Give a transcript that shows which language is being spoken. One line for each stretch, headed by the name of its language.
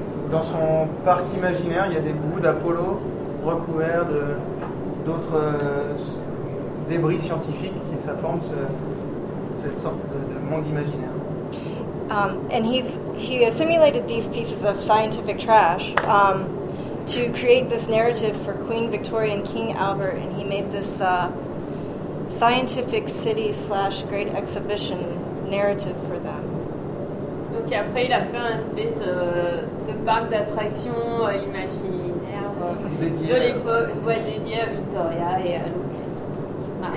French: Dans son parc imaginaire, il y a des bouts d'Apollo recouverts d'autres débris scientifiques qui forment cette sorte de monde imaginaire.
English: And he assimilated these pieces of scientific trash to create this narrative for Queen Victoria and King Albert, and he made this scientific city / great exhibition narrative for them.
French: Donc après il a fait un espèce de parc d'attractions imaginaire de l'époque, ouais, dédié à Victoria et à l'occasion.